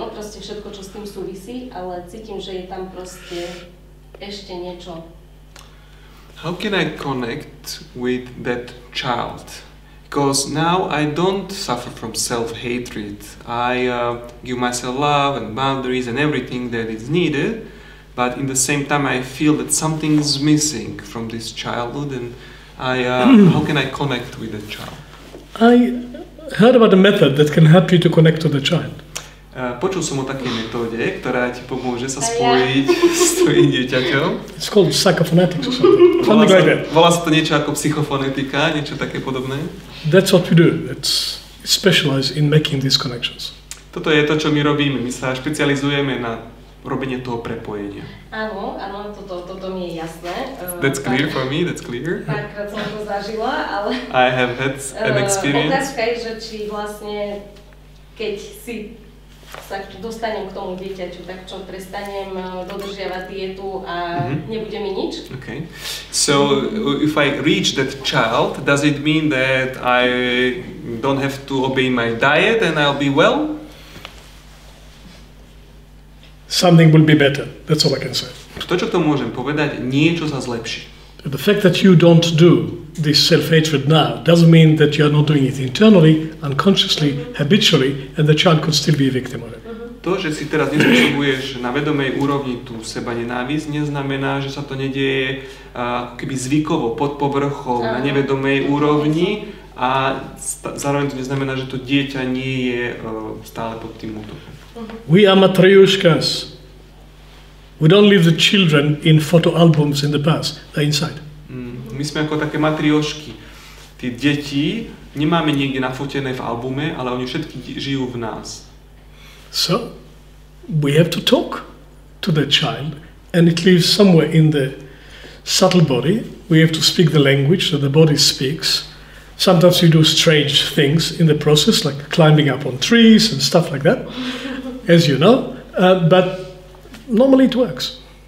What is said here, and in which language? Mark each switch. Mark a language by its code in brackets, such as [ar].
[sk] No proste všetko, čo s tým súvisí, ale cítim, že je tam proste ešte niečo. [en] How can I connect with that child? Because now I don't suffer from self-hatred. I give myself love and boundaries and everything that is needed, but in the same time I feel that something is missing from this childhood, and I how can I connect with the child? I heard about a method that can help you to connect to the child. [sk] Počul som o takej metóde, ktorá ti pomôže sa spojiť s tvojim dieťaťom. [en] It's called psychophonetics or something. [sk] Volá sa to niečo ako psychofonetika, niečo také podobné? [en] That's what we do. It's specialized in making these connections. [sk] Toto je to, čo my robíme. My sa špecializujeme na robenie toho prepojenia. Áno, toto mi je jasné. [en] That's clear for me, that's clear. [sk] Párkrát som to zažila, ale... [en] I have had an experience. [sk] Otázka je, že či vlastne, keď si... sa dostanem k tomu dieťaťu, tak čo, prestanem dodržiavať dietu a nebude mi nič? [en] Okay. So, if I reach that child, does it mean that I don't have to obey my diet and I'll be well? Something will be better, that's all I can say. [sk] To, čo k tomu môžem povedať, niečo sa zlepší. [en] The fact that you don't do this self-hatred now doesn't mean that you are not doing it internally, unconsciously, habitually, and the child could still be a victim of it. [sk] To, že si teraz nespôsobuješ na vedomej úrovni tú seba nenávisť, neznamená, že sa to nedieje keby zvykovo, pod povrchom, na nevedomej úrovni, a zároveň to neznamená, že to dieťa nie je stále pod tým útokom. [en] We are matryoshkas. We don't leave the children in photo albums in the past, they're inside. [sk] My sme ako také matriošky. Tí deti nemáme niekde nafotené v albume, ale oni všetky žijú v nás. [en] So, we have to talk to the child and it lives somewhere in the subtle body. We have to speak the language that the body speaks. Sometimes we do strange things in the process, like climbing up on trees and stuff like that, as you know. But normally it works.